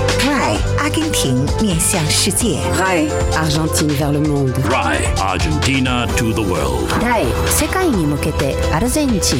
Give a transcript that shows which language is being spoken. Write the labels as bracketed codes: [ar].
[zh] RAI, Argentina, 面向世界。 [fr] RAI, Argentina vers le monde. [en] RAI, Argentina to the world. [ja] RAI, 世界に向けて Argentina.